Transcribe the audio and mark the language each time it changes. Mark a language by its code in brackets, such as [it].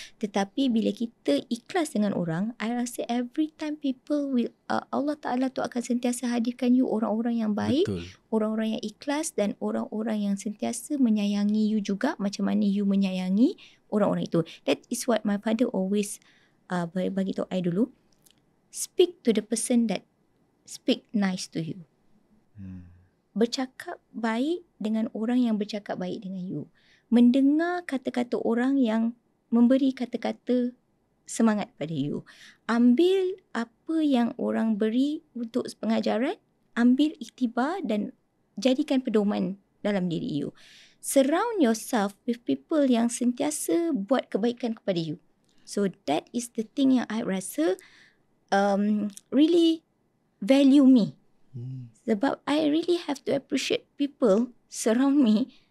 [ms] Tetapi bila kita ikhlas dengan orang, I rasa [en] every time people will [ms] Allah Ta'ala tu akan sentiasa hadirkan you orang-orang yang baik. Betul. Orang-orang yang ikhlas dan orang-orang yang sentiasa menyayangi you juga macam mana you menyayangi orang-orang itu. [en] That is what my father always [ms] bagi tahu [en] I dulu. Speak to the person that speak nice to you. [ms] Bercakap baik dengan orang yang bercakap baik dengan you. Mendengar kata-kata orang yang memberi kata-kata semangat pada you. Ambil apa yang orang beri untuk pengajaran, ambil iktibar dan jadikan pedoman dalam diri you. [en] Surround yourself with people [ms] yang sentiasa buat kebaikan kepada [en] you. So that is the thing [ms] yang [en] I rasa really value me. Sebab I really have to appreciate people surround me.